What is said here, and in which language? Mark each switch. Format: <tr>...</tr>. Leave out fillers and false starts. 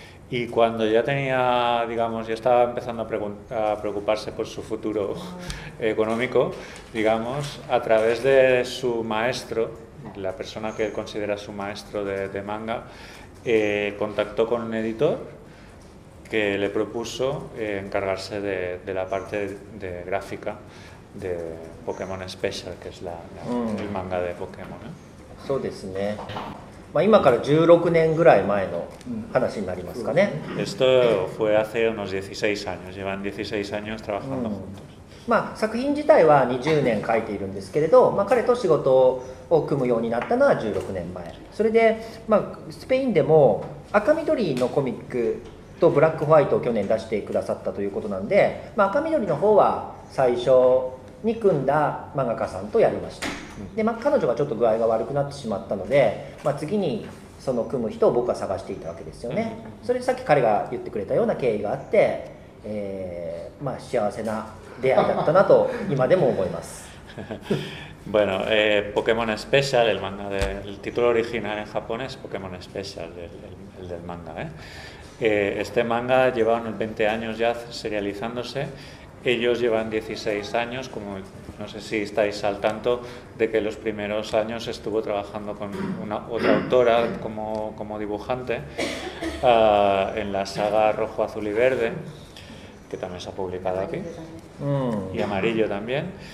<es>Y cuando ya tenía, digamos, ya estaba empezando a preocuparse por su futuro económico, digamos, a través de su maestro, la persona que él considera su maestro de manga, contactó con un editor que le propuso encargarse de la parte de gráfica de Pokémon Special, que es el manga de Pokémon. Sí, sí.</es> <ja>まあ、今から16年ぐらい前の話になりますかね。</ja> <es>Esto fue hace unos 16 años. Llevan 16 años trabajando juntos.</es> <ja>まあ、作品自体は20年書いているんですけれど、まあ、彼と仕事を組むようになったのは16年前。それで、まあ、スペインでも赤緑のコミックとブラックホワイトを去年出してくださったということなんで、まあ、赤緑の方は最初に組んだ漫画家さんとやりました。で、まあ、彼女がちょっと具合が悪くなってしまったので、まあ、次にその組む人を僕は探していたわけですよね。それでさっき彼が言ってくれたような経緯があって、まあ、幸せな出会いだったなと今でも思います。</ja> <es>Bueno, Pokémon Special, el manga de, el título original en japonés, Pokémon Special, el del manga, ¿eh? Este manga lleva unos 20 años ya serializándose. Ellos llevan 16 años, como no sé si estáis al tanto de que los primeros años estuvo trabajando con una otra autora como dibujante en la saga Rojo, Azul y Verde, que también se ha publicado aquí, y Amarillo también.</es>